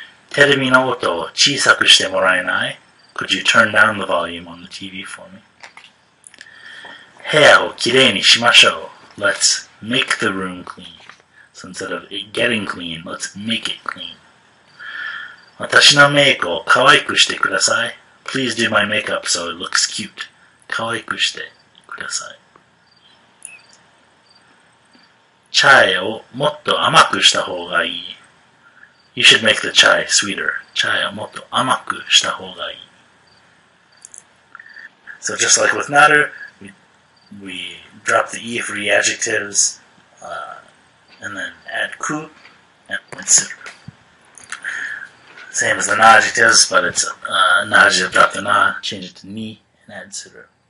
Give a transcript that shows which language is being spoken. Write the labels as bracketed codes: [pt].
[ja] テレビの音を小さくしてもらえない? [en] Could you turn down the volume on the TV for me? [ja] 部屋をきれいにしましょう. [en] Let's make the room clean. So instead of it getting clean, let's make it clean. [ja] 私のメイクをかわいくしてください。 [en] Please do my makeup so it looks cute. [ja] かわいくしてください。チャイをもっと甘くした方がいい。 [en] You should make the chai sweeter. [ja] チャイをもっと甘くした方がいい。 [en] So just like with natter, we drop the e for the adjectives, and then add ku and consider. Same as the na adjectives, but it's na adjective, drop the na, change it to ni, and add suru.